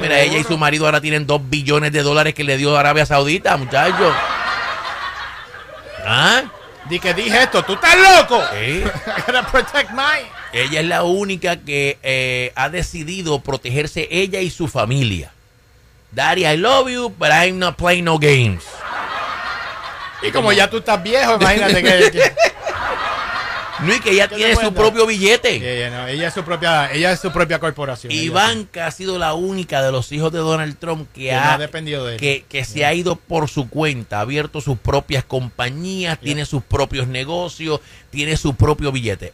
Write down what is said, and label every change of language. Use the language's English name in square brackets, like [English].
[Spanish] Mira, ella y su marido ahora tienen $2 billones que le dio Arabia Saudita, muchachos. ¿Ah? Dije esto, tú estás loco. ¿Sí? [English] I gotta protect mine. [Spanish] Ella es la única que ha decidido protegerse ella y su familia. [English] Daddy, I love you, but I'm not playing no games. [Spanish] Y como ya tú estás viejo, imagínate que... No, y que ella tiene su propio billete. Ella es su propia corporación. Ivanka ha sido la única de los hijos de Donald Trump que ha dependido de él. Que se ha ido por su cuenta, ha abierto sus propias compañías, tiene sus propios negocios, tiene su propio billete.